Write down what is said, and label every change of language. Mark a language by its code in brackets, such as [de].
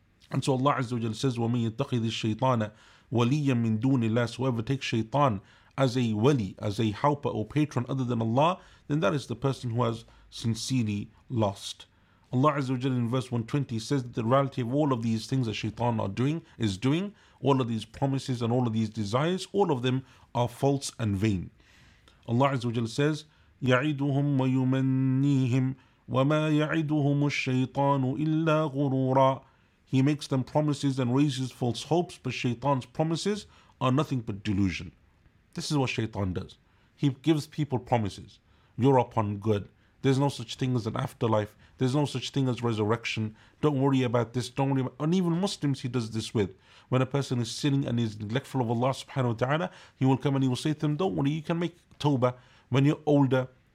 [en] And so Allah Azza wa Jalla says, [ar] وَمَن يَتَّخِذِ الشَّيْطَانَ وَلِيًّا مِن دُونِ اللَّهِ, [en] whoever takes shaitan as a wali, as a helper or patron other than Allah, then that is the person who has sincerely lost. Allah Azza wa Jalla in verse 120 says that the reality of all of these things that shaitan are doing, is doing, all of these promises and all of these desires, all of them are false and vain. Allah Azza wa Jalla says, [ar] يَعِدُهُمْ وَيُمَنِّيهِمْ وَمَا يَعِدُهُمُ الشَّيْطَانُ إِلَّا غُرُورًا. [en] He makes them promises and raises false hopes, but shaitan's promises are nothing but delusion. This is what shaitan does. He gives people promises. You're upon good. There's no such thing as an afterlife. There's no such thing as resurrection. Don't worry about this. Don't worry about, and even Muslims, he does this with. When a person is sinning and is neglectful of Allah subhanahu wa ta'ala, he will come and he will say to them, don't worry, you can make tawbah when you're older.